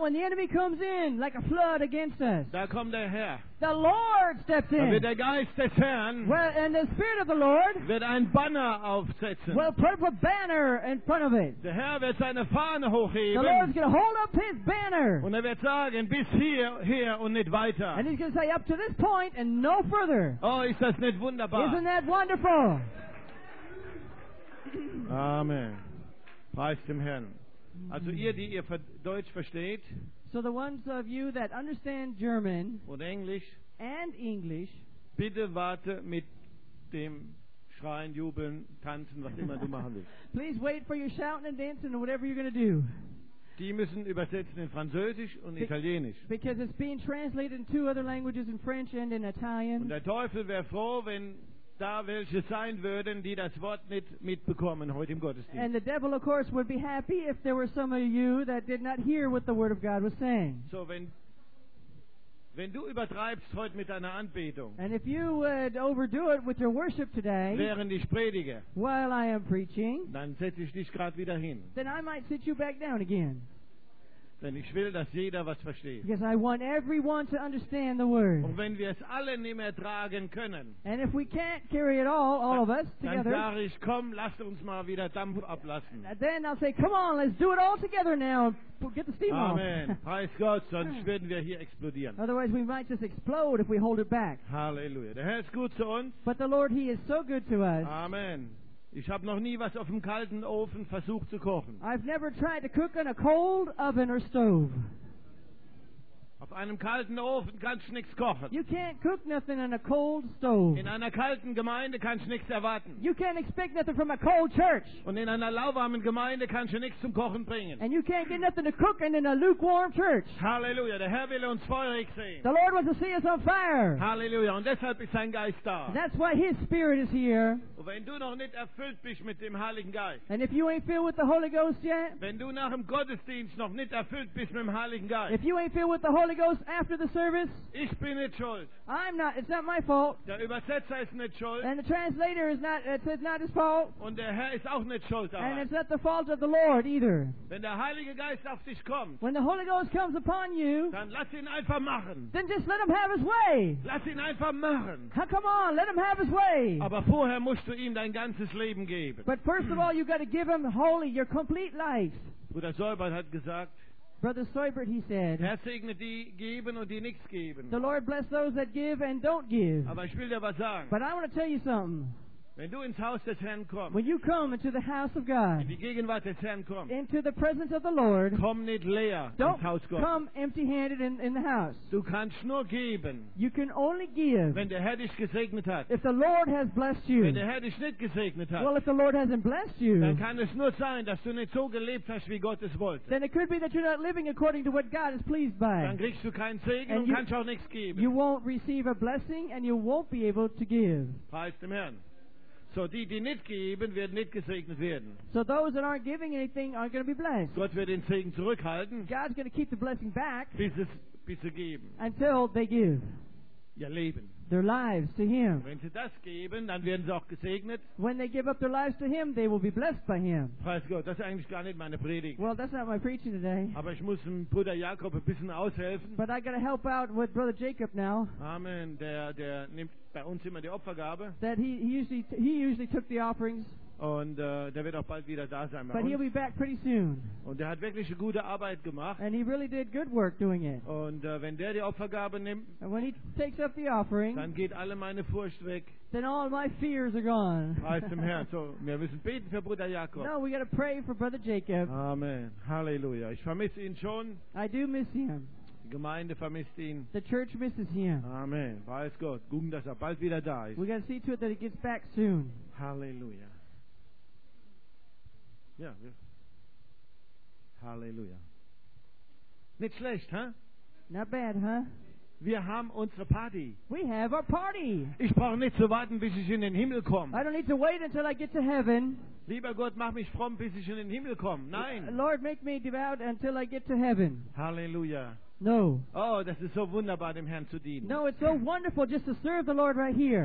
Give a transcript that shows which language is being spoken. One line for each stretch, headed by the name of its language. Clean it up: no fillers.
English: When the enemy comes in like a flood against us,
German: da kommt der Herr.
English: The Lord steps in.
German: Da wird der Geist des Herrn,
English: well, and the Spirit of the Lord
German: wird ein Banner aufsetzen.
English: Will put up a banner in front of it.
German: Der Herr wird seine Fahne hochheben.
English: The Lord is going to hold up his banner.
German: Und wird sagen, bis hier, hier und nicht weiter.
English: And he's going to say, up to this point and no further.
German: Oh, ist das nicht wunderbar?
English: Isn't that wonderful?
German: Amen. Preist dem Herrn. Also ihr, die ihr Deutsch versteht,
English: so the ones of you that understand German
German: und Englisch,
English: and English,
German: bitte warte mit dem Schreien, Jubeln, Tanzen, was immer du machen willst.
English: Please wait for your shouting and dancing and whatever you're going to do.
German: Die müssen übersetzen in Französisch und Italienisch.
English: Because it's being translated in two other languages, in French and in Italian.
German: Und der Teufel wäre froh, wenn da welche sein würden, die das Wort nicht mitbekommen heute im Gottesdienst.
English: And the devil, of course, would be happy if there were some of you that did not hear what the Word of God was saying.
German: So wenn du übertreibst heute mit deiner Anbetung,
English: and if you would overdo it with your worship today,
German: während ich predige,
English: while I am preaching,
German: dann setze ich dich gerade wieder hin.
English: Then I might sit you back down again.
German: Denn ich will, dass jeder was versteht.
English: Because I want everyone to understand the word.
German: Und wenn wir es alle nicht mehr tragen können,
English: and if we can't carry it all
German: dann,
English: of us together,
German: dann sage ich, komm, lasst uns mal wieder Dampf ablassen.
English: Then I'll say, come on, let's do it all together now. Get the steam Amen.
German: Amen. Preis Gott, sonst werden wir hier explodieren.
English: Otherwise we might just explode if we hold it back.
German: Halleluja. Der Herr ist gut zu uns.
English: But the Lord, he is so good to us. Amen.
German: Ich habe noch nie was auf dem kalten Ofen versucht zu kochen.
English: I've never tried to cook in a cold oven or stove.
German: Auf einem kalten Ofen kannst du nichts kochen.
English: You can't cook nothing in a cold stove.
German: In einer kalten Gemeinde kannst du nichts erwarten.
English: You can't expect nothing from a cold church.
German: Und in einer lauwarmen Gemeinde kannst du nichts zum Kochen bringen.
English: And you can't get nothing to cook in a lukewarm church.
German: Halleluja, der Herr will uns feurig sehen.
English: The Lord wants to see us on fire.
German: Halleluja, und deshalb ist sein Geist da.
English: And that's why his spirit is here.
German: Und wenn du noch nicht erfüllt bist mit dem Heiligen Geist,
English: and if you ain't filled with the Holy Ghost yet,
German: wenn du nach dem Gottesdienst noch nicht erfüllt bist mit dem Heiligen Geist,
English: if you ain't filled with the Holy Ghost after the service,
German: ich bin nicht schuld.
English: I'm not, it's not my fault.
German: Der Übersetzer ist nicht schuld.
English: And the translator is not, it's not his fault.
German: Und der Herr ist auch nicht schuld daran.
English: And it's not the fault of the Lord either.
German: Wenn der Heilige Geist auf dich kommt,
English: when the Holy Ghost comes upon you,
German: dann lass ihn einfach machen.
English: Then just let him have his way.
German: Lass ihn einfach machen.
English: Now, come on, let him have his way.
German: Aber vorher musst du ihm dein ganzes Leben geben.
English: But first of all, you got to give him holy, your complete life.
German: Bruder Seubert hat gesagt,
English: Brother Seubert, he said,
German: Herr segne die geben und die nichts geben.
English: The Lord bless those that give and don't give.
German: Aber ich will dir was sagen.
English: But I want to tell you something.
German: Wenn du ins Haus des Herrn kommst,
English: when you come into the house of God,
German: in die Gegenwart des Herrn kommst,
English: into the presence of the Lord,
German: komm nicht leer
English: don't
German: ins Haus Gottes.
English: Come empty-handed in the house.
German: Du kannst nur geben,
English: you can only give,
German: wenn der Herr dich gesegnet hat.
English: If the Lord has blessed you,
German: wenn der Herr dich nicht gesegnet hat,
English: well, if the Lord hasn't blessed you,
German: dann kann es nur sein, dass du nicht so gelebt hast, wie Gott es wollte.
English: Then it could be that you're not living according to what God is pleased by.
German: Dann kriegst du keinen Segen und kannst auch nichts geben.
English: You won't receive a blessing and you won't be able to give.
German: Preist dem Herrn. So die, die nicht geben, werden nicht gesegnet werden.
English: So those that aren't giving anything aren't going to be blessed.
German: Gott wird den Segen zurückhalten.
English: God's going to keep the blessing back.
German: Bis sie geben.
English: Until they give.
German: Ihr Leben.
English: Their lives to him.
German: Wenn sie das geben, dann werden sie auch gesegnet.
English: When they give up their lives to him, they will be blessed by him.
German: Preis Gott, das ist eigentlich gar nicht meine Predigt.
English: Well, that's not my preaching today.
German: Aber ich muss dem Bruder Jakob ein bisschen aushelfen.
English: But I got to help out with Brother Jacob now.
German: Amen. Der nimmt bei uns immer die Opfergabe.
English: That he usually took the offerings.
German: Und der wird auch bald wieder da sein.
English: But he'll be back pretty soon.
German: Und er hat wirklich eine gute Arbeit gemacht.
English: And he really did good work doing it.
German: Und wenn der die Opfergabe nimmt,
English: and when he takes up the offering,
German: dann geht alle meine Furcht weg.
English: Then all my fears are gone.
German: Preis dem Herrn. So, wir müssen beten für Bruder Jakob.
English: No, we got to pray for Brother Jacob.
German: Amen. Halleluja. Ich vermisse ihn schon.
English: I do miss him.
German: Die Gemeinde vermisst ihn.
English: The church misses him.
German: Amen. Weiß Gott. Gucken, dass er bald wieder da ist.
English: We got to see to it that he gets back soon. Halleluja.
German: Ja, Halleluja. Nicht schlecht, huh?
English: Not bad, huh?
German: Wir haben unsere Party.
English: We have our party.
German: Ich brauche nicht zu warten, bis ich in den Himmel komme.
English: I don't need to wait until I get to heaven.
German: Lieber Gott, mach mich fromm, bis ich in den Himmel komme. Nein.
English: Lord, make me devout until I get to heaven. Halleluja. No.
German: Oh, das ist so wunderbar, dem Herrn zu dienen.
English: No, it's so wonderful just to serve the Lord right here.